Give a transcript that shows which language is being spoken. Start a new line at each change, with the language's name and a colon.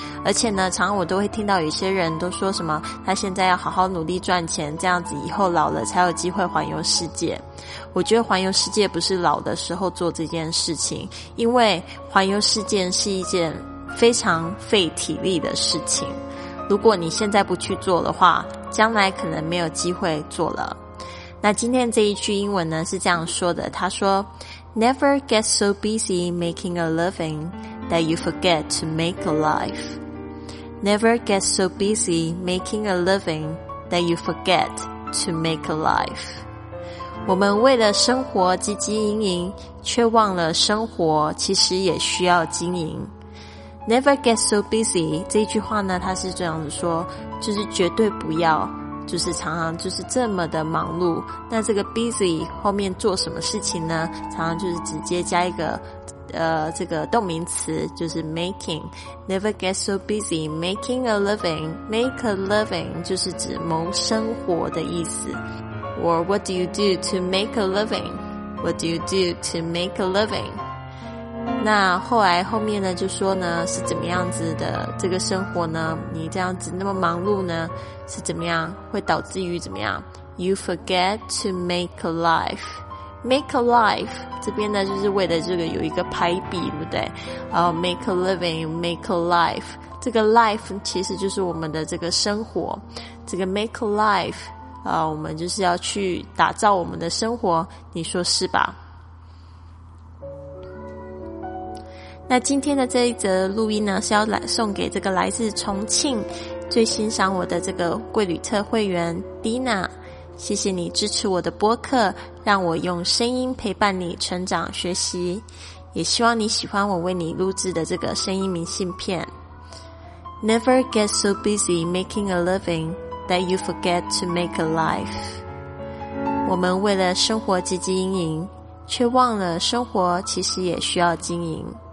Chinese: 而且呢，常常我都会听到有些人都说什么，他现在要好好努力赚钱，这样子以后老了才有机会环游世界。我觉得环游世界不是老的时候做这件事情，因为环游世界是一件非常费体力的事情，如果你现在不去做的话，将来可能没有机会做了。那今天这一句英文呢是这样说的，他说
English: Never get so busy making a living that you forget to make a life. Never get so busy making a living that you forget to make a life.
Chinese: 我们为了生活汲汲营营，却忘了生活其实也需要经营。
English: Never get so busy
Chinese: 这一句话呢，它是这样子说，就是绝对不要就是常常就是这么的忙碌。那这个 busy 后面做什么事情呢，常常就是直接加一个这个动名词，就是 making。
English: Never get so busy making a living，
Chinese: make a living 就是指谋生活的意思。
English: Or what do you do to make a living? What do you do to make a living?
Chinese: 那后来后面呢就说呢，是怎么样子的这个生活呢，你这样子那么忙碌呢，是怎么样会导致于怎么样，
English: You forget to make a life. Make a life
Chinese: 这边呢就是为了这个有一个排比，对不对？
English: Make a living, make a life，
Chinese: 这个 life 其实就是我们的这个生活。这个
English: make a life
Chinese: 我们就是要去打造我们的生活，你说是吧？那今天的这一则录音呢，是要来送给这个来自重庆最欣赏我的这个贵旅特会员 Dina， 谢谢你支持我的播客，让我用声音陪伴你成长学习，也希望你喜欢我为你录制的这个声音明信片。
English: Never get so busy making a livingThat you forget to make a life.
Chinese: 我们为了生活汲汲营营，却忘了生活其实也需要经营。